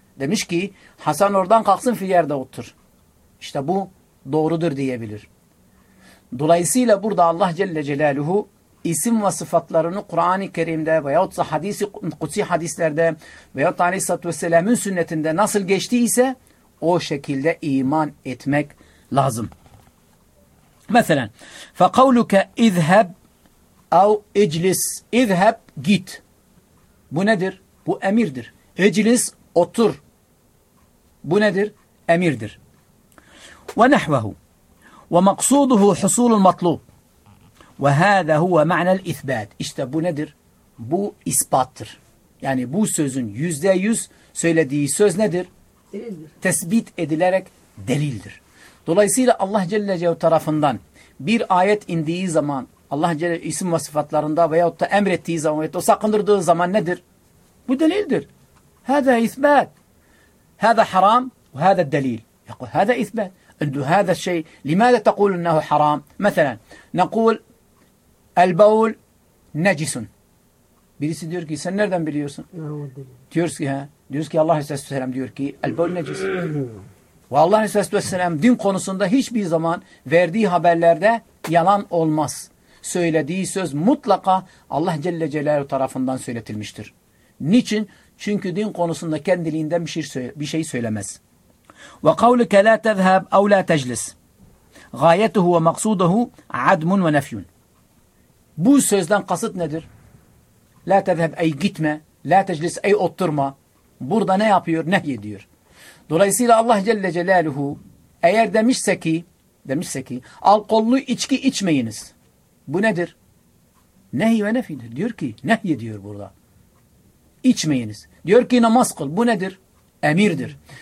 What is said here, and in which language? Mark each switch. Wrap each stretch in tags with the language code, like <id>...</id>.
<tr>Demiş ki Hasan oradan kalksın fil yerde otur. İşte bu doğrudur diyebilir. Dolayısıyla burada Allah Celle Celaluhu isim ve sıfatlarını Kur'an-ı Kerim'de veyahut da hadisi kutsi hadislerde veyahut da Aleyhisselatü Vesselam'ın sünnetinde nasıl geçtiyse o şekilde iman etmek lazım.</tr> <ar>Mesela فَقَوْلُكَ اِذْهَبْ اَوْ اِجْلِسْ اِذْهَبْ git.</ar> <tr>Bu nedir? Bu emirdir. اِجْلِسْ otur. Bu nedir? Emirdir.</tr> <ar>وَنَحْوَهُ وَمَقْصُودُهُ حُصُولُ الْمَطْلُوبُ وَهَذَا هُوَ مَعْنَ الْاِثْبَاتِ</ar> <tr>İşte bu nedir? Bu ispattır. Yani bu sözün %100 söylediği söz nedir? Delildir. Tespit edilerek delildir. Dolayısıyla Allah Celle Celaluhu tarafından bir ayet indiği zaman, Allah Celle isim ve sıfatlarında veyahut da emrettiği zaman veyahut da sakındırdığı zaman nedir? Bu delildir.</tr> <ar>هَذَا اِثْبَاتِ هَذَا حَرَامِ وَهَذَا الدَّلِيلِ يقول هذا إثبات أن هذا الشيء لماذا تقول أنه حرام مثلا نقول البول نجس</ar> <tr>birisi diyor ki sen nereden biliyorsun diyoruz ki Allah Resulü Vesselam diyor ki</tr> <ar>البول نجس</ar> <tr>ve Allah Resulü Vesselam din konusunda hiçbir zaman verdiği haberlerde yalan olmaz söylediği söz mutlaka Allah Celle Celaluhu tarafından söyletilmiştir niçin çünkü din konusunda kendiliğinden bir şey söylemez.</tr> <ar>وقولك لا تذهب أو لا تجلس غايته ومقصوده عدم ونفي.</ar> <tr>Bu sözden kasıt nedir?</tr> <ar>لا تذهب أي gitme, لا تجلس أي oturma.</ar> <tr>Burada ne yapıyor? Nehy ediyor. Dolayısıyla Allah Celle Celaluhu eğer demişse ki alkollü içki içmeyiniz. Bu nedir? Nehy ve nefidir. Diyor ki nehy ediyor burada. İçmeyiniz. Diyor ki namaz kıl. Bu nedir? Emirdir.</tr>